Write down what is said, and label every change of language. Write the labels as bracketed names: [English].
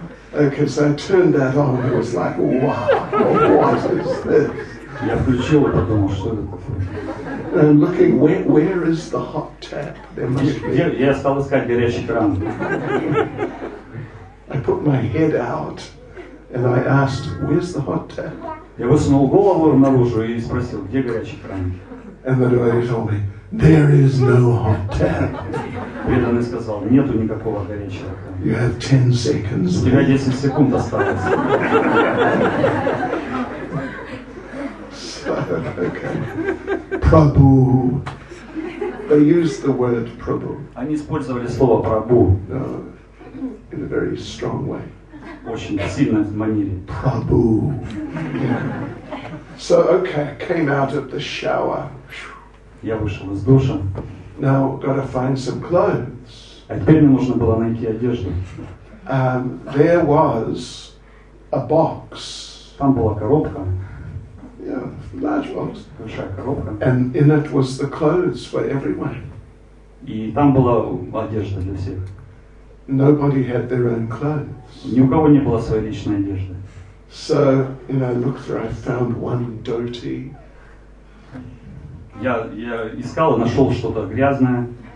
[English] Okay, so I turned that on and it was like, wow, what is this? [Russian] Я включил и подумал, что это такое? [English] I'm looking, where is the hot tap? There must be. [Russian] Я стал искать горячий кран. [English] I put my head out and I asked, where's the hot tap? [Russian] Я высунул голову наружу и спросил, где горячий кран? [English] And the devotee told me, there is no hot tap. [Russian] Преданный сказал, нету никакого горячего крана. [English] You have 10 seconds. [Russian] У тебя 10 секунд осталось. [English] So, okay. Prabhu. They used the word Prabhu. [Russian] Они использовали слово Прабу. [English] In a very strong way. [Russian] Очень сильно в манере. [English] Prabhu. So, okay, came out of the shower. [Russian] Я вышел из душа. [English] Now, gotta find some clothes. [Russian] А теперь мне нужно было найти одежду. [English] There was a box. [Russian] Там была коробка. [English] large box. [Russian] Большая коробка. [English] And in it was the clothes for everyone. [Russian] И там была одежда для всех. [English] Nobody had their own clothes. [Russian] Ни у кого не было своей личной одежды. [English] So, I looked through, I found one dirty. [Russian] Я искал, нашел что-то грязное.